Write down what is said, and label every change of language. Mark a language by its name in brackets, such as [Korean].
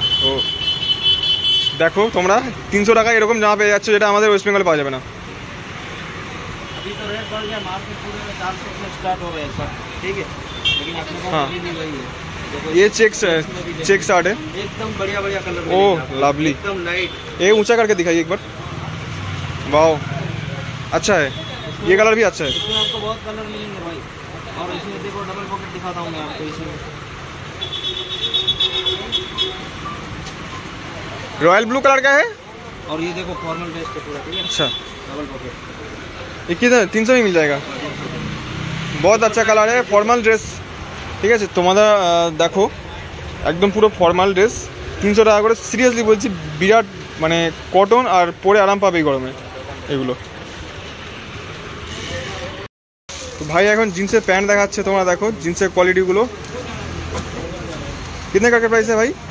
[Hindi] ओ देखो तुम्हारा [Bangla] 300 টাকা এরকম জামা পাওয়া যাচ্ছে যেটা আমাদের ওয়েস্ট বেঙ্গলে পাওয়া যাবে না। [Hindi] अभी तो रेट बढ़ गया, मार्केट पूरे 400 से स्टार्ट हो गया सर, ठीक है। लेकिन अपने पास हां ये चेक्स शर्ट है, एकदम बढ़िया बढ़िया कलर। ओ लवली, एकदम लाइट। ये ऊंचा करके दिखाइए एक बार। वाओ अच्छा है, ये कलर भी अच्छा है। इसमें आपको बहुत कलर मिलेंगे भाई। और इसमें देखो डबल पॉकेट दिखाता हूँ मैं आपको। इसमें रॉयल ब्लू कलर का है और ये देखो फॉर्मल ड्रेस का पूरा, ठीक है। अच्छा डबल पॉकेट, ये कितना? 300 में मिल जाएगा। बहुत अच्छा कलर है, फॉर्मल ड्रेस, ठीक है। तुम्हारा देखो एकदम पूरा फॉर्मल ड्रेस 300 [Bangla] টাকা করে। সিরিয়াসলি বলছি বিরাট মানে কটন আর পরে আরাম পাবে গরমে এগুলো। তো ভাই এখন জিন্সের প্যান্ট দেখাচ্ছে, তোমরা দেখো জিন্সের কোয়ালিটিগুলো। কিনে কাকে প্রাইসে ভাই?